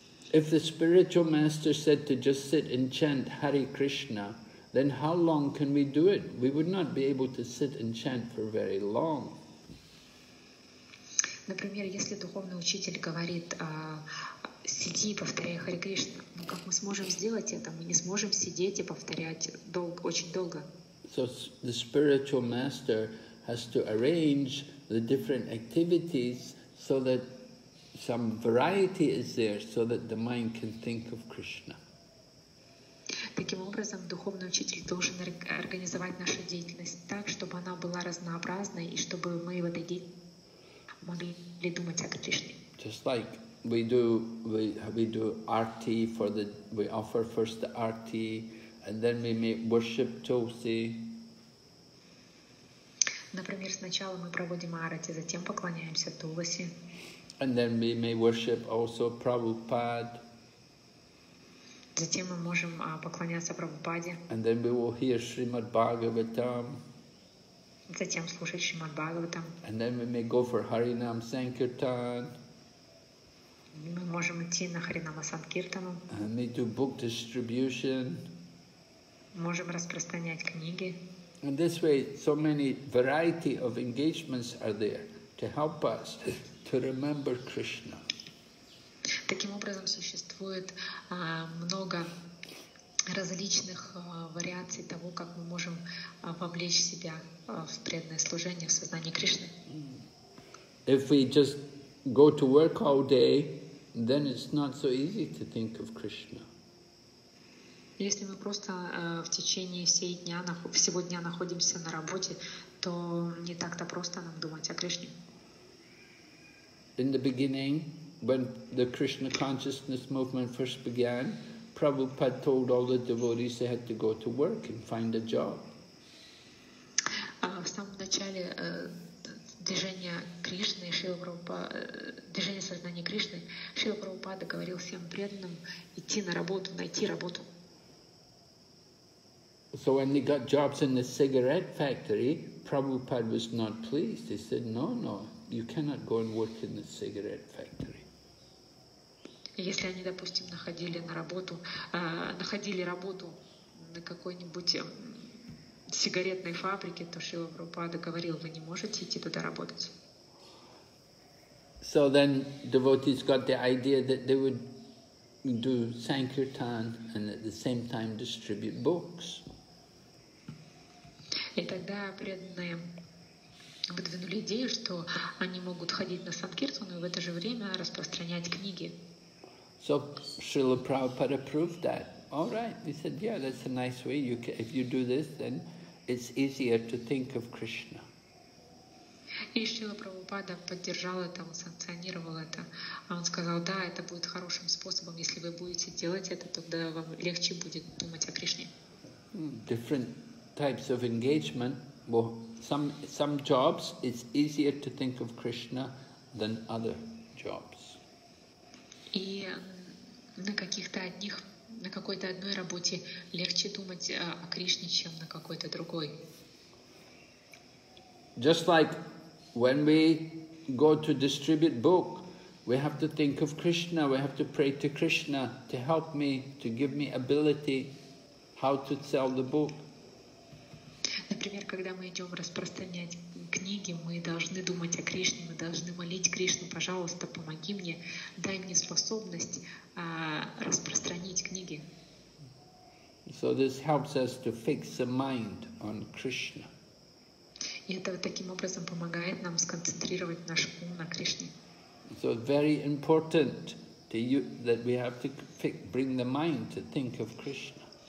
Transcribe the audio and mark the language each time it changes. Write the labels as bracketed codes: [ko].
[en] If the spiritual master said to just sit and chant Hare Krishna, then how long can we do it? We would not be able to sit and chant for very long. [ru] Например, если духовный учитель говорит, сиди и повторяй Харе Кришна. Но как мы сможем сделать это? Мы не сможем сидеть и повторять долго, очень долго. [en] So the spiritual master has to arrange the different activities so that some variety is there, so that the mind can think of Krishna. [ru] Таким образом, духовный учитель должен организовать нашу деятельность так, чтобы она была разнообразной и чтобы мы в этой деятельности могли думать о Кришне. [en] Just like we do arti for the, we offer first the arti, and then we may worship Tulsi. [ru] Например, сначала мы проводим арати, затем поклоняемся Туласи. [en] And then we may worship also Prabhupada. [ru] Затем мы можем поклоняться Прабхупаде. [en] And then we will hear Srimad Bhagavatam. [ru] Затем слушать Шримад Бхагаватам. [en] And then we may go for Харинам Санкиртан. [ru] Мы можем идти на Харинама Санкиртану. [en] And we do book distribution. [ru] Можем распространять книги. [en] And this way, so many variety of engagements are there to help us to remember Krishna. [ru] Таким образом, существует много различных вариаций того, как мы можем вовлечь себя в преданное служение, в сознание Кришны. [en] If we just go to work all day, then it's not so easy to think of Krishna. [ru] Если мы просто в течение всего дня находимся на работе, то не так-то просто нам думать о Кришне. [en] In the beginning, when the Krishna consciousness movement first began, Prabhupada told all the devotees they had to go to work and find a job. [ru] В самом начале движения Кришны, Шрила Прабхупада, движения сознания Кришны, Шрила Прабхупада говорил всем преданным идти на работу, найти работу. [en] So when they got jobs in the cigarette factory, Prabhupada was not pleased. He said, "No, no, you cannot go and work in the cigarette factory." [ru] Если они, допустим, находили работу на какой-нибудь сигаретной фабрике, то Шрила Прабхупада говорил, вы не можете идти туда работать. [en] So then devotees got the idea that they would do sankirtan and at the same time distribute books. [ru] И тогда преданные выдвинули идею, что они могут ходить на санкиртану и в это же время распространять книги. [en] So Srila Prabhupada proved that. All right, he said, yeah, that's a nice way. You can, if you do this, then it's easier to think of Krishna. [ru] И Шрила Прабхупада поддержал это, он санкционировал это. А он сказал, да, это будет хорошим способом, если вы будете делать это, тогда вам легче будет думать о Кришне. [en] Different types of engagement. Well, some jobs it's easier to think of Krishna than other jobs. [ru] И на каких-то одних, на какой-то одной работе легче думать о Кришне, чем на какой-то другой. [en] Just like when we go to distribute book, we have to think of Krishna, we have to pray to Krishna to help me, to give me ability how to sell the book. [ru] Например, когда мы идем распространять книги, мы должны думать о Кришне, мы должны молить Кришну, пожалуйста, помоги мне, дай мне способность распространить книги. [en] So this helps us to fix the mind on Krishna. [ru] И это таким образом помогает нам сконцентрировать наш ум на Кришне. [en] So very important to you that we have to bring the mind to think of Krishna.